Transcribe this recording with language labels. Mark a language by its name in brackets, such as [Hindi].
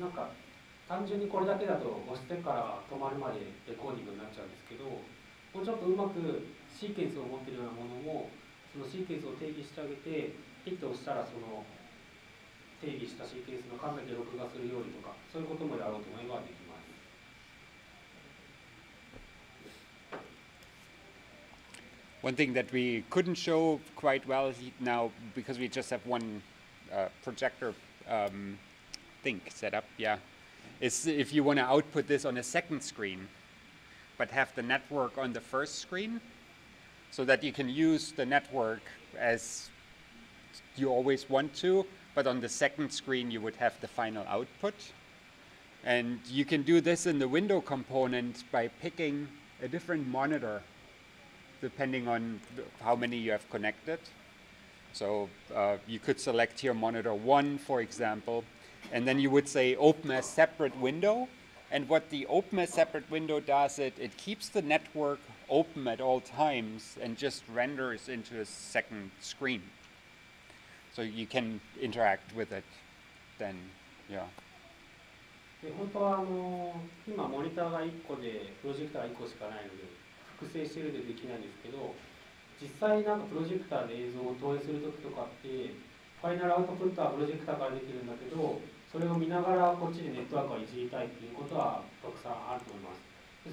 [Japanese] なんか単純にこれだけだと押してから止まるまでレコーディングになっちゃうんですけど、もうちょっとうまくシーケンスを持っているようなものもそのシーケンスを定義してあげて、ピッと押したらその定義したシーケンスの数だけ録画するようにとか、そういうこともやろうと思えばできます。 [English] One thing that we couldn't show quite well now because we just have one projector thing set up, yeahIs if you want to output this on a second screen, but have the network on the first screen, so that you can use the network as you always want to, but on the second screen you would have the final output. And you can do this in the window component by picking a different monitor, depending on how many you have connected. So you could select here monitor one, for example,and then you would say open a separate window. And what the open a separate window does, it keeps the network open at all times and just renders into a second screen. So you can interact with it then, yeah. [Japanese] で、本当はあの今モニターが1個でプロジェクターが1個しかないので複製してるでできないんですけど、実際なんかプロジェクターで映像を投影するときとかってファイナルアウトプットはプロジェクターからできるんだけど、それを見ながらこっちでネットワークをいじりたいということはたくさんあると思います。